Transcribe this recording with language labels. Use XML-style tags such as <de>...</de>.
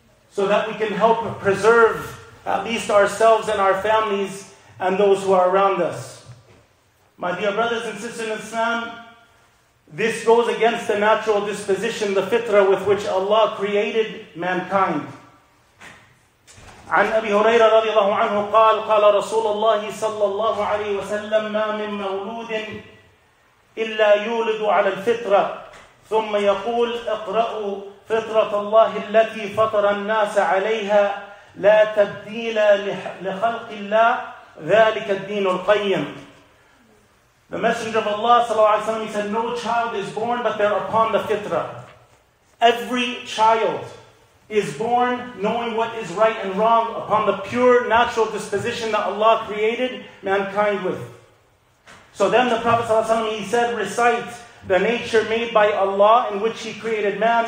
<en>So that we can help preserve at least ourselves and our families and those who are around us. My dear brothers and sisters in Islam, this goes against the natural disposition, the fitrah with which Allah created mankind.</en> <ar>عن أبي هريرة رضي الله عنه قال قال رسول الله صلى الله عليه وسلم ما من مولود إلا يولد على الفطرة ثم يقول اقرأوا فطرة الله التي فطر الناس عليها لا تبديل لخلق الله ذلك الدين القيم</ar> <en>The Messenger of Allah</en> <ar>صلى الله عليه وسلم</ar> <en>said, No child is born but they're upon the fitrah. Every child is born knowing what is right and wrong upon the pure natural disposition that Allah created mankind with. So then the Prophet صلى الله عليه وسلم, he said, recite the nature made by Allah in which He created man.</en>